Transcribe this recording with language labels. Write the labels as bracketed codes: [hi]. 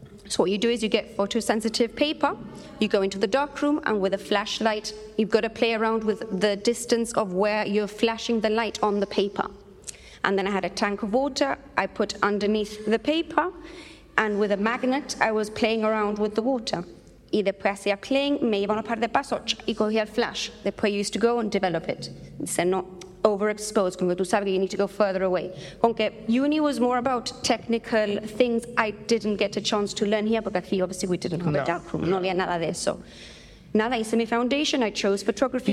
[en] So what you do is you get photosensitive paper, you go into the dark room, and with a flashlight, you've got to play around with the distance of where you're flashing the light on the paper. And then I had a tank of water I put underneath the paper, and with a magnet, I was playing around with the water. [es] Y después hacía playing, me iba a una parte de paso, y cogía el flash. [en] Después you used to go and develop it. It's not overexposed, [es] como tú sabes, [en] you need to go further away. Aunque uni was more about technical things, I didn't get a chance to learn here, because aquí obviously we didn't have a dark room, [es] no había nada de eso. Nada, hice mi [en] foundation, I chose photography.